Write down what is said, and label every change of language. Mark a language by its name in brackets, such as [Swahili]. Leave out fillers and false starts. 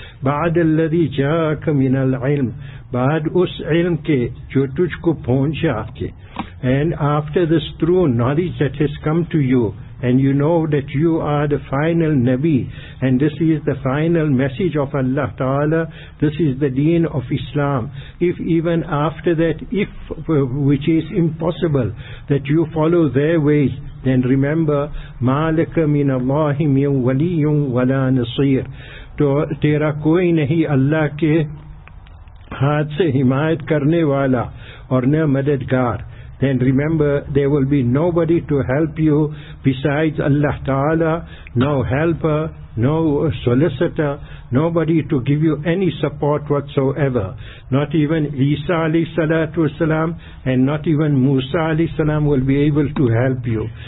[Arabic] بعد الذي جاءك من العلم [Urdu] بعد اس علم کے جو تجھ کو پہنچا کے. [English] And after this true knowledge that has come to you, and you know that you are the final Nabi, and this is the final message of Allah Ta'ala, this is the deen of Islam. If even after that, if which is impossible, that you follow their ways, then remember, [Arabic] مَا لَكَ مِنَ اللَّهِ مِنْ وَلِيٌ وَلَا نَصِيرٌ [Urdu] تو تیرا کوئی نہیں اللہ کے ہاتھ سے حمایت کرنے والا اور نہ مددگار. [English] Then remember, there will be nobody to help you besides Allah Ta'ala, no helper, no solicitor, nobody to give you any support whatsoever. Not even Isa alayhi salatu wasalam, and not even Musa alayhi salam will be able to help you.